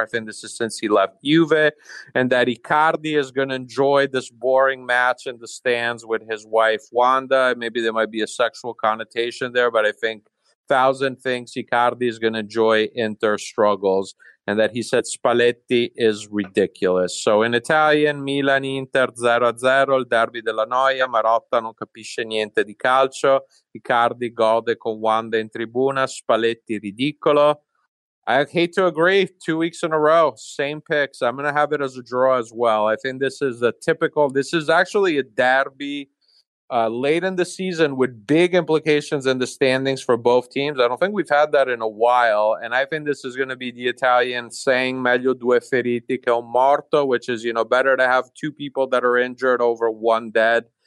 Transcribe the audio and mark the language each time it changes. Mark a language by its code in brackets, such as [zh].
[en] I think this is since he left Juve. And that Icardi is going to enjoy this boring match in the stands with his wife, Wanda. Maybe there might be a sexual connotation there, but I think Thousand thinks Icardi is going to enjoy Inter struggles. And that he said Spalletti is ridiculous. [it] So in Italian, Milan-Inter 0-0, il derby della noia, Marotta non capisce niente di calcio, Icardi gode con Wanda in tribuna, Spalletti ridicolo. [en] I hate to agree, 2 weeks in a row, same picks. I'm going to have it as a draw as well. I think this is a typical, this is actually a derby late in the season with big implications in the standings for both teams. I don't think we've had that in a while. And I think this is going to be the Italian saying meglio due feriti che un morto, which is, you know, better to have two people that are injured over one dead.